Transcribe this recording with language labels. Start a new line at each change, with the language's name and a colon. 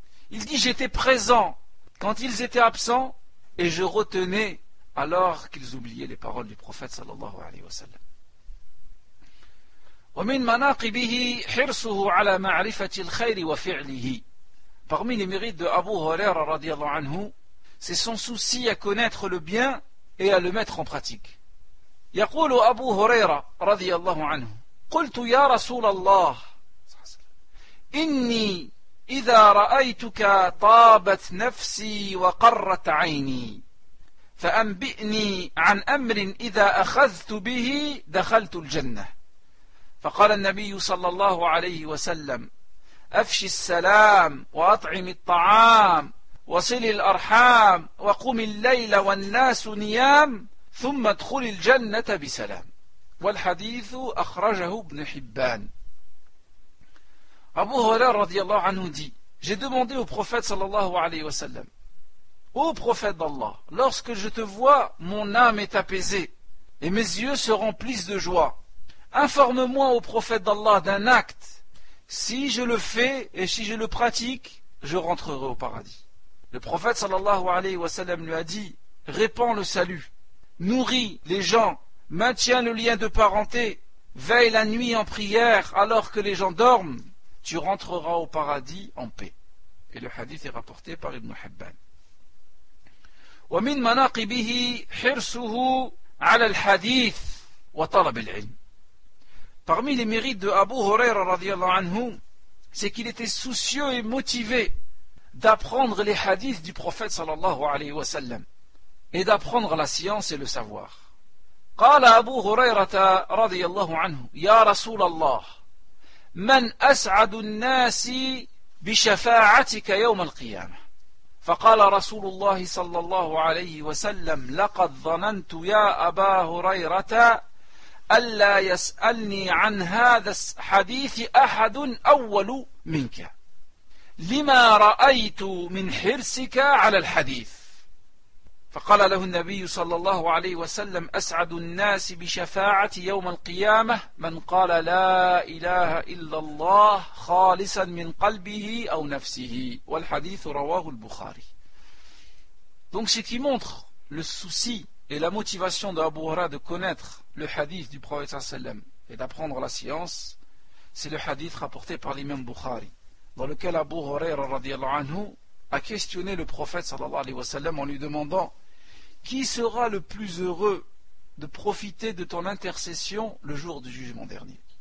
French: Il dit, j'étais présent quand ils étaient absents et je retenais alors qu'ils oubliaient les paroles du prophète sallallahu alayhi wa sallam.
Arabic: وَمِنْ مَنَاقِبِهِ حِرْصُهُ عَلَى مَعْرِفَةِ الْخَيْرِ وَفِعْلِهِ.
French: Parmi les mérites de Abu Huraira radiallahu anhu, c'est son souci à connaître le bien et à le mettre en pratique.
Arabic: يقول أبو هريرة رضي الله عنه قلت يا رسول الله إني إذا رأيتك طابت نفسي وقرت عيني فأنبئني عن أمر إذا أخذت به دخلت الجنة فقال النبي صلى الله عليه وسلم أفش السلام وأطعم الطعام وصل الأرحام وقم الليل والناس نيام ثم ادخل الجنة بسلام والحديث أخرجه ابن حبان. أبو هريرة رضي الله عنه
French: dit, j'ai demandé au prophète sallallahu alayhi wa sallam, ô prophète d'Allah, lorsque je te vois, mon âme est apaisée et mes yeux se remplissent de joie. Informe-moi, ô prophète d'Allah, d'un acte. Si je le fais et si je le pratique, je rentrerai au paradis. Le prophète sallallahu alayhi wa sallam lui a dit, répands le salut, nourris les gens, maintiens le lien de parenté, veille la nuit en prière alors que les gens dorment, tu rentreras au paradis en paix. Et le hadith est rapporté par Ibn Hibban.
Arabic: وَمِنْ مَنَاقِبِهِ حِرْصُهُ عَلَى الْحَدِيثِ وَطَلَبِ الْعِلْمِ.
French: Parmi les mérites de Abu Huraira radiallahu anhu, c'est qu'il était soucieux et motivé d'apprendre les hadiths du prophète sallallahu alayhi wa sallam et d'apprendre la science et le savoir.
Arabic: قال أبو هريرة رضي الله عنه يا رسول الله من أسعد الناس بشفاعتك يوم القيامة. فقال رسول الله صلى الله عليه وسلم: لقد ظننت يا أبا هريرة ألا يسألني عن هذا الحديث أحد أول منك، لما رأيت من حرصك على الحديث. فقال له النبي صلى الله عليه وسلم: أسعد الناس بشفاعة يوم القيامة من قال لا إله إلا الله خالصا من قلبه أو نفسه، والحديث رواه البخاري.
French: Donc ce qui montre le souci et la motivation de Abu Hurayra de connaître le hadith du prophète sallam et d'apprendre la science, c'est le hadith rapporté par l'imam Bukhari, dans lequel Abu Hurayra radiallahu anhu a questionné le prophète sallallahu alayhi wa sallam en lui demandant: qui sera le plus heureux de profiter de ton intercession le jour du jugement dernier?